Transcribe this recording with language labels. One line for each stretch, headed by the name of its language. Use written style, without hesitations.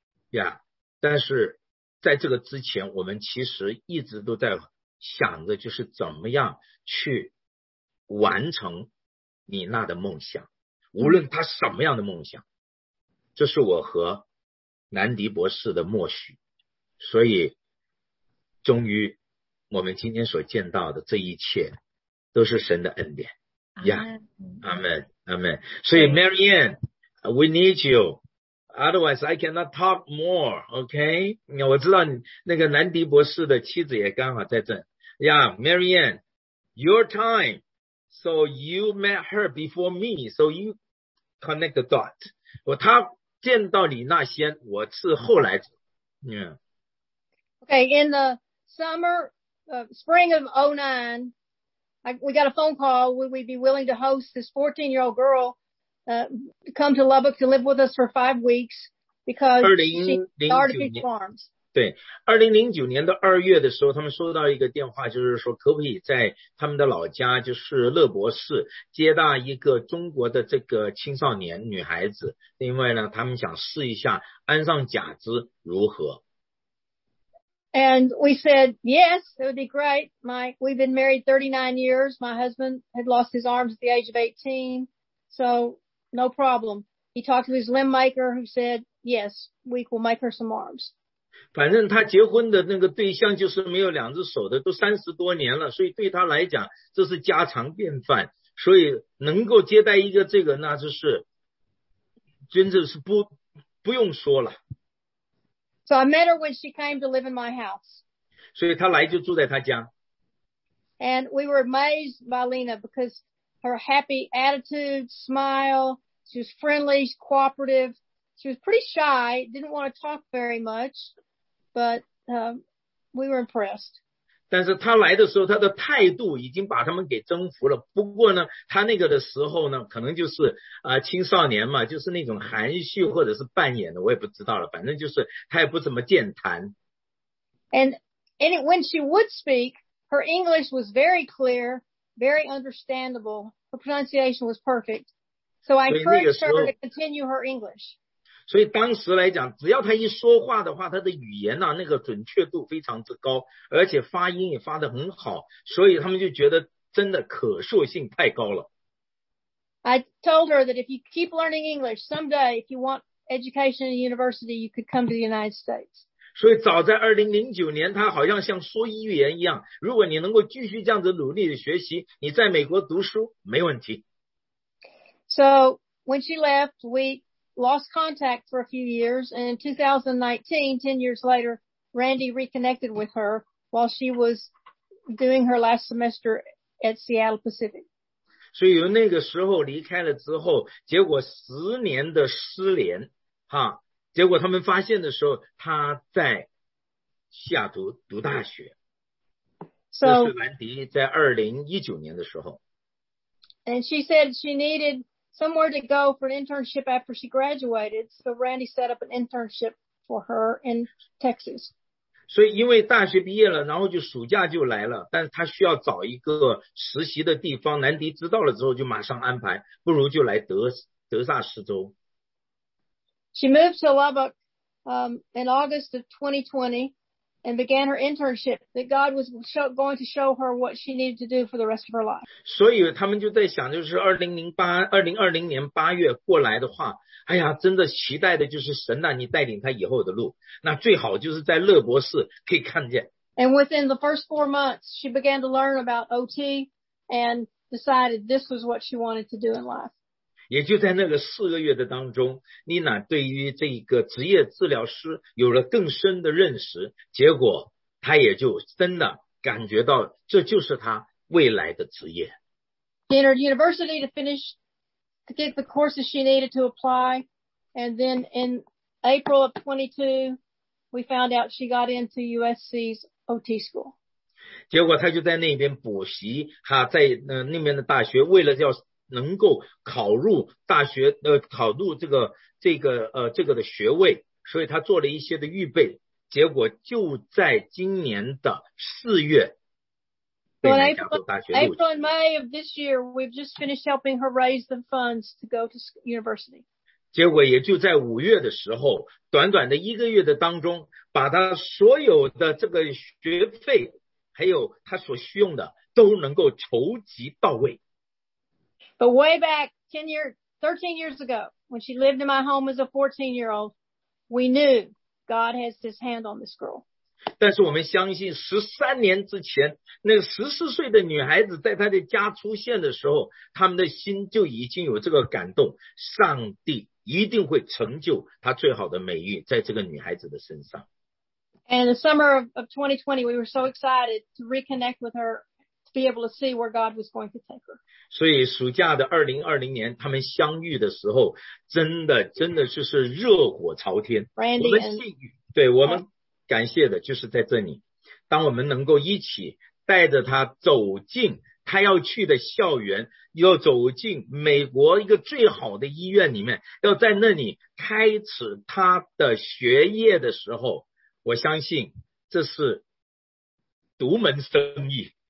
Chinese: 呀、yeah, 但是在这个之前我们其实一直都在想着，就是怎么样去完成你那的梦想，无论他什么样的梦想，这是我和南迪博士的默许，所以终于我们今天所见到的这一切都是神的恩典呀、yeah, 阿们阿们。
English: 所以 Marianne we need youOtherwise, I cannot talk more, okay?
Chinese: 我知道那个南迪博士的妻子也刚好在这。
English: Yeah, Marianne, your time. So you met her before me, so you connect the dot.
Chinese: 他见到你那先，我是后来。
English: Yeah. Okay, in the summer, spring of 09, we got a phone call. Would we be willing to host this 14-year-old girl? Come to Lubbock to live with us for 5 weeks because she started to teach farms.
Chinese: 对 ,2009 年的2月的时候他们收到一个电话，就是说可不可以在他们的老家就是乐博士接纳一个中国的这个青少年女孩子，另外呢他们想试一下安上假肢如何。
English: And we said, yes, it would be great. We've been married 39 years. My husband had lost his arms at the age of 18. So,No problem. He talked to his limb maker who said, yes, we will make her some arms.
Chinese: 反正他结婚的那个对象就是没有两只手的，都30多年了，所以对他来讲这是家常便饭，所以能够接待一个这个，那就是真的是不用说了。
English: So I met her when she came to live in my house.
Chinese: 所以他来就住在他家。
English: And we were amazed by Lena becauseHer happy attitude, smile, she was friendly, cooperative. She was pretty shy, didn't want to talk very much, but we were impressed.
Chinese: 但是她来的时候她的态度已经把他们给征服了。不过呢她那个的时候呢可能就是青少年嘛，就是那种含蓄或者是扮演的，我也不知道了，反正就是她也不怎么健谈。
English: And when she would speak, her English was very clear. Very understandable. Her pronunciation was perfect. So I encouraged her to continue her English.
Chinese: 所以当时来讲，只要她一说话的话，她的语言啊，那个准确度非常之高，而且发音也发得很好。所以他们就觉得真的可塑性太高了。
English: I told her that if you keep learning English, someday if you want education in university, you could come to the United States.
Chinese: 所以早在2009年，她好像像说预言一样，如果你能够继续这样子努力的学习，你在美国读书没问题。
English: So when she left, we lost contact for a few years, and in 2019, 10 years later, Randy reconnected with her while she was doing her last semester at Seattle Pacific.
Chinese: 所以那个时候离开了之后，结果十年的失联，哈，结果他们发现的时候，他在西雅图读大学。
English: So,
Chinese: 这是兰迪在2019年的时候。
English: And she said she needed somewhere to go for an internship after she graduated, so Randy set up an internship for her in Texas.
Chinese: 所以因为大学毕业了，然后就暑假就来了，但是他需要找一个实习的地方，兰迪知道了之后就马上安排，不如就来德萨斯州。
English: She moved to Lubbock in August of 2020 and began her internship that God was going to show her what she needed to do for the rest of her life.
Chinese: 所以他们就在想，就是2020年八月过来的话，哎呀，真的期待的就是神啊，你带领他以后的路。那最好就是在乐博士可以看见。
English: And within the first 4 months, she began to learn about OT and decided this was what she wanted to do in life.
Chinese: 也就在那个四个月的当中， Nina 对于这个职业治疗师有了更深的认识，结果她也就真的感觉到这就是她未来的职业。
English: She entered university to finish to get the courses she needed to apply, and then in April of 22, we found out she got into USC's OT school.
Chinese: 结果她就在那边补习，她在那边的大学为了叫能够考入大学考入这个的学位，所以他做了一些的预备，结果就在今年的四月被加州大学录取。
English: April and May of this year, we've just finished helping her raise the funds to go to university.
Chinese: 结果也就在五月的时候，短短的一个月的当中，把他所有的这个学费还有他所需用的都能够筹集到位。
English: But way back 13 years ago, when she lived in my home as a 14-year-old, we knew God has his hand on this girl.
Chinese: 但是我们相信13年之前，那14岁的女孩子在她的家出现的时候，他们的心就已经有这个感动，上帝一定会成就她最好的美誉在这个女孩子的身上。
English: And the summer of 2020, we were so excited to reconnect with her. Be able to see where God was going to take her.
Chinese: 所以暑假的2020年，他们相遇的时候，真的就是热火朝天。 Randy, 我们幸运，对我们感谢的就是在这里。当我们能够一起带着他走进他要去的校园，要走进美国一个最好的医院里面，要在那里开始他的学业的时候，我相信这是独门生意。